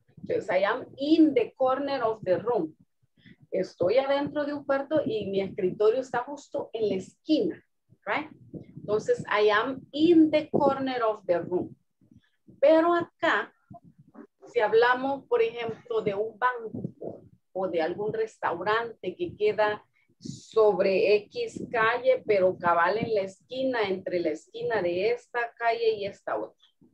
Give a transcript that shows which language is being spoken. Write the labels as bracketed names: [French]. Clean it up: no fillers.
[Spanish] Entonces, [English] I am in the corner of the room. [Spanish] Estoy adentro de un cuarto y mi escritorio está justo en la esquina. [English] Right? [Spanish] Entonces, [English] I am in the corner of the room. [Spanish] Pero acá, si hablamos, por ejemplo, de un banco o de algún restaurante que queda sobre X calle, pero cabal en la esquina, entre la esquina de esta calle y esta otra.